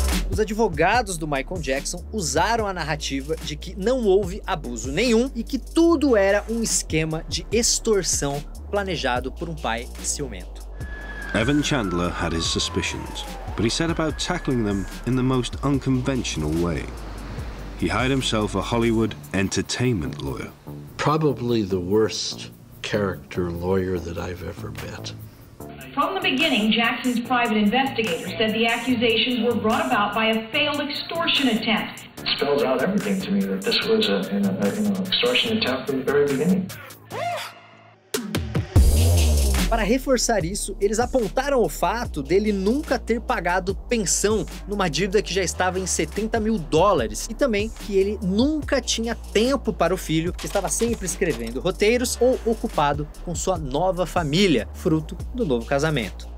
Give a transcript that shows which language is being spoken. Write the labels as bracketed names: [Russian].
[Portuguese] Os advogados do Michael Jackson usaram a narrativa de que não houve abuso nenhum e que tudo era um esquema de extorsão planejado por um pai ciumento. [English] Evan Chandler had his suspicions, but he set about tackling them in the most unconventional way. He hired himself a Hollywood entertainment lawyer. Probably the worst character lawyer that I've ever met. From the beginning, Jackson's private investigator said the accusations were brought about by a failed extortion attempt. It spells out everything to me that this was an extortion attempt from the very beginning. [Portuguese] Para reforçar isso, eles apontaram o fato dele nunca ter pagado pensão numa dívida que já estava em $70,000 e também que ele nunca tinha tempo para o filho, que estava sempre escrevendo roteiros ou ocupado com sua nova família, fruto do novo casamento.